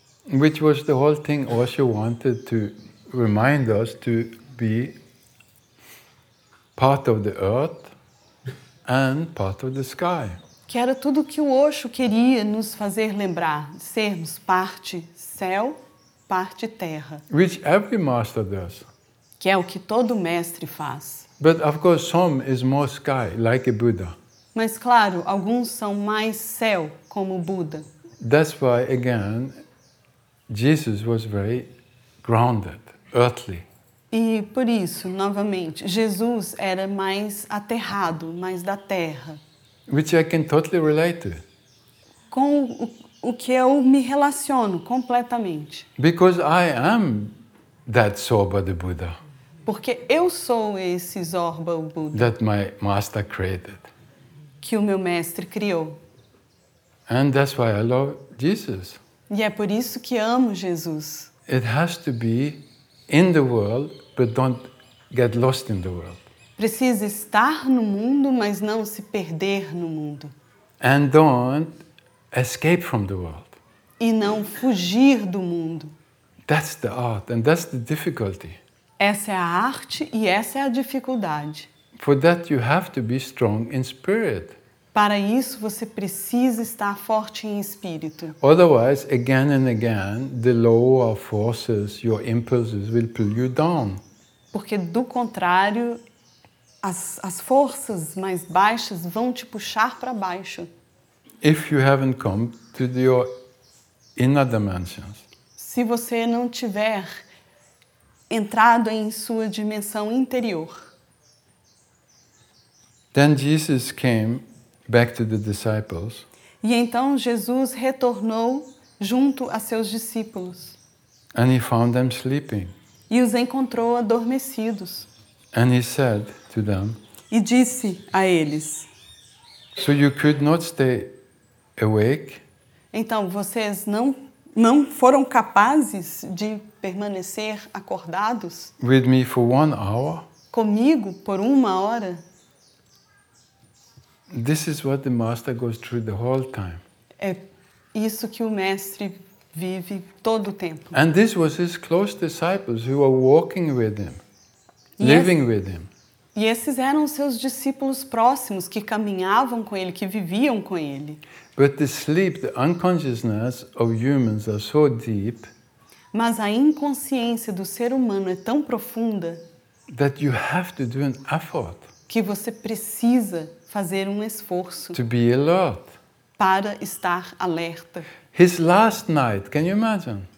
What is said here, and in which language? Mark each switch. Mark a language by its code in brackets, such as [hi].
[en] Which was the whole thing Osho wanted to remind us to be part of the earth and part of the sky. [pt] Que era tudo que o Osho queria nos fazer lembrar, sermos parte céu, parte terra. [en] Which every master does. [pt] Que é o que todo mestre faz. [en] But of course some is more sky, like a Buddha. [pt] Mas claro, alguns são mais céu, como o Buda. [en] That's why again Jesus was very grounded, earthly. [pt] E por isso, novamente, Jesus era mais aterrado, mais da terra. [en] Which I can totally relate to. [pt] Com o que eu me relaciono completamente. [en] Because I am that Zorba the Buddha. [pt] Porque eu sou esse Zorba o Buda. [en] That my master created. [pt] Que o meu mestre criou. [en] And that's why I love Jesus. [pt] E é por isso que amo Jesus. [en] It has to be in the world, but don't get lost in the world. [pt] Precisa estar no mundo, mas não se perder no mundo. [en] And don't escape from the world. [pt] E não fugir do mundo. [en] That's the art and that's the difficulty. [pt] Essa é a arte e essa é a dificuldade. [en] For that you have to be strong in spirit. [pt] Para isso você precisa estar forte em espírito. [en] Otherwise, again and again, the lower forces, your impulses will pull you down. [pt] Porque do contrário, as forças mais baixas vão te puxar para baixo. [en] If you haven't come to your inner dimensions. [pt] Se você não tiver entrado em sua dimensão interior. [en] Then Jesus came back to the disciples. [pt] E então Jesus retornou junto a seus discípulos. [en] And he found them sleeping. [pt] E os encontrou adormecidos. [en] And he said to them. [pt] E disse a eles. [en] So you could not stay awake. [pt] Então vocês não não foram capazes de permanecer acordados [en] with me for 1 hour, [pt] comigo por uma hora. [en] This is what the master goes through the whole time. [pt] É isso que o mestre vive todo o tempo. [en] And this was his close disciples who were walking with him, living with him. [pt] E esses eram os seus discípulos próximos que caminhavam com ele, que viviam com ele. [en] But the sleep, the unconsciousness of humans are so deep. [pt] Mas a inconsciência do ser humano é tão profunda. [en] That you have to do an effort. [pt] Que você precisa fazer um esforço. [en] To be alert. [pt] Para estar alerta. [en] His last night, can you imagine?